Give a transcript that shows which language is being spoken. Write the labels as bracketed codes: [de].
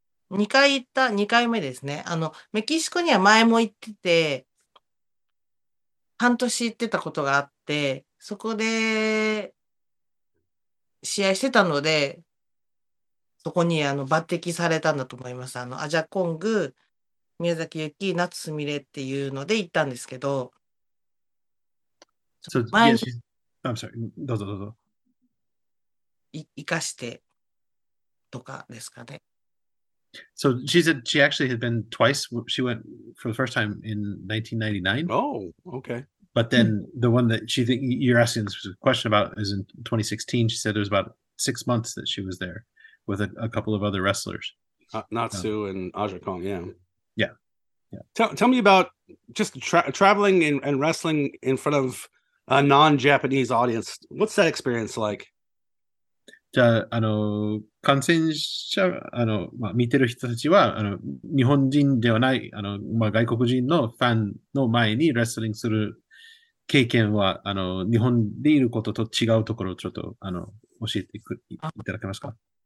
[ja] 2回行った、2回目ですね。メキシコには前も行ってて、半年行ってたことがあって、そこで、試合してたので、そこに抜擢されたんだと思います。アジャコング、宮崎ゆき、夏すみれっていうので行ったんですけど、 [en] So, [ja] 前 [en] yes, [ja] に、 [en] she's. I'm sorry. [ja] どうぞどうぞ。生かして、とかですかね。 [en] So, she said she actually had been twice. She went for the first time in 1999. Oh, okay. But then the one that she think you're asking this question about is in 2016. She said it was about 6 months that she was there with a couple of other wrestlers. Natsu and Aja Kong, yeah. Yeah. Tell me about just traveling and wrestling in front of a non-Japanese audience. What's that experience like? [ja] じゃあ、感染者、見てる人たちは、日本人ではない、外国人のファンの前にレスリングする経験は、日本でいることと違うところをちょっと、教えていただけますか？